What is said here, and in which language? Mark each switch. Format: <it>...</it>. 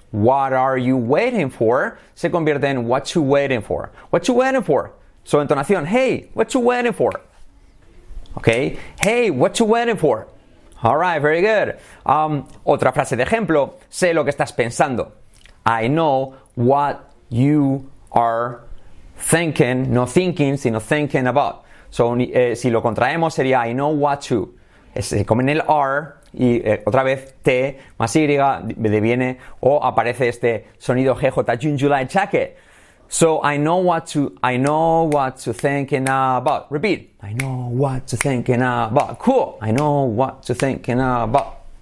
<en>What are you waiting for?</en> <es>Se convierte en</es> <en>what you waiting for. What you waiting for?</en> <es>Su entonación,</es> <en>hey, what you waiting for? Okay, hey, what you waiting for? Alright, very good.</en> <es>Otra frase de ejemplo, sé lo que estás pensando.</es> <en>I know what you are thinking, no thinking, sino thinking about. So,</en> <es>si lo contraemos sería</es> <en>I know what you.</en> <es>Se comen el R y otra vez T más Y deviene o aparece este sonido GJ.</es> <en>June, July, check it. So, I know what you thinking about. Repeat. I know what you thinking about. Cool. I know what you thinking about.</en>